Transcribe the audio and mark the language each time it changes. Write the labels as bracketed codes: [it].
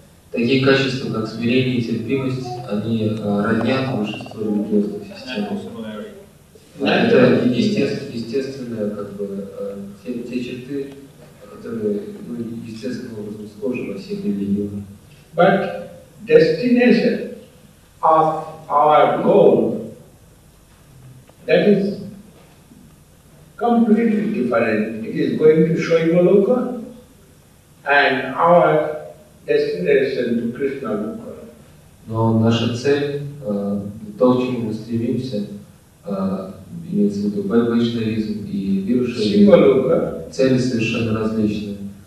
[ru] Такие качества, как смирение и терпимость, они роднят большинство религиозных систем. Это естественные как бы, те черты, которые ну, естественным образом схожи во всех религиях. [en] But destination of our goal, that is completely different. It is going to Shoimaloka and our destination to Krishna Loka. [ru] Но наша цель, то, к чему мы стремимся, имеется в виду Вайшнавизм и Вирушнавизм. Цели совершенно различные.